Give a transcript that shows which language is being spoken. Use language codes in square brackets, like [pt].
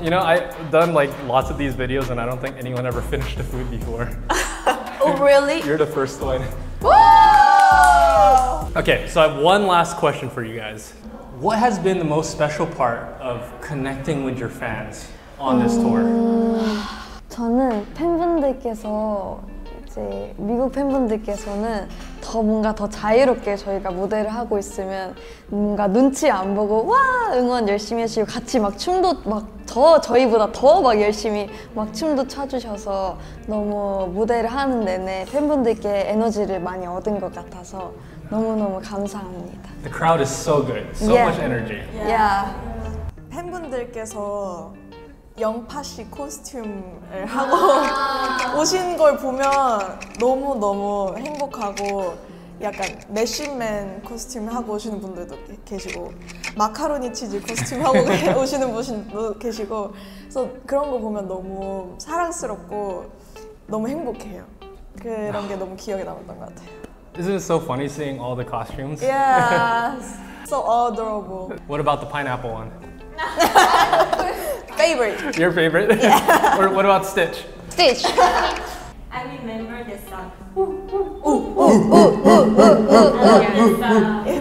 [en] You know, I've done like lots of these videos and I don't think anyone ever finished a food before. Oh, really? You're the first one. Woo! Okay, so I have one last question for you guys. What has been the most special part of connecting with your fans on this tour? [ko] 저는 팬분들께서 이제 미국 팬분들께서는 더 뭔가 더 자유롭게 저희가 무대를 하고 있으면 뭔가 눈치 안 보고 와 응원 열심히 하시고 같이 막 춤도 막 더 저희보다 더 막 열심히 막 춤도 춰주셔서 너무 무대를 하는 내내 팬분들께 에너지를 많이 얻은 것 같아서 너무너무 감사합니다. [en] The crowd is so good. So much energy. Yeah. [ko] 팬분들께서 영파씨 코스튬을 하고 오신 걸 보면 너무너무 행복하고 약간 매신맨 코스튬을 하고 오시는 분들도 계시고 마카로니 치즈 코스튬 하고 오시는 분도 계시고 그래서 그런 거 보면 너무 사랑스럽고 너무 행복해요. 그런 게 너무 기억에 남았던 것 같아요. [en] Isn't it so funny seeing all the costumes? Yeah, so adorable. What about the pineapple one? Favorite. Your favorite? Yeah. Or what about Stitch? Stitch. I remember this song. Ooh.